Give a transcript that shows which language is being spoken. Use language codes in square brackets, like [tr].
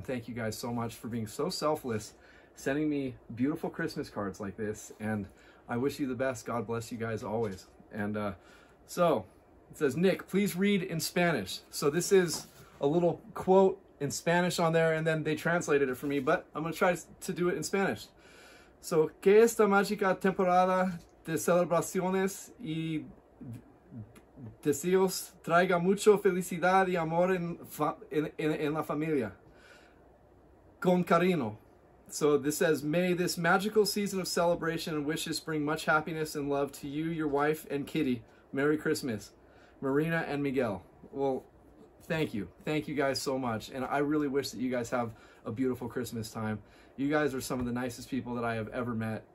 [en] And thank you guys so much for being so selfless, sending me beautiful Christmas cards like this. And I wish you the best. God bless you guys always. And so it says, Nick, please read in Spanish. So this is a little quote in Spanish on there, and then they translated it for me, but I'm going to try to do it in Spanish. [es] So, que esta mágica temporada de celebraciones y deseos traiga mucho felicidad y amor en la familia. Con cariño. [en] So, this says, may this magical season of celebration and wishes bring much happiness and love to you, your wife, and Kitty. Merry Christmas. Marina and Miguel. Well, thank you. Thank you guys so much. And I really wish that you guys have a beautiful Christmas time. You guys are some of the nicest people that I have ever met.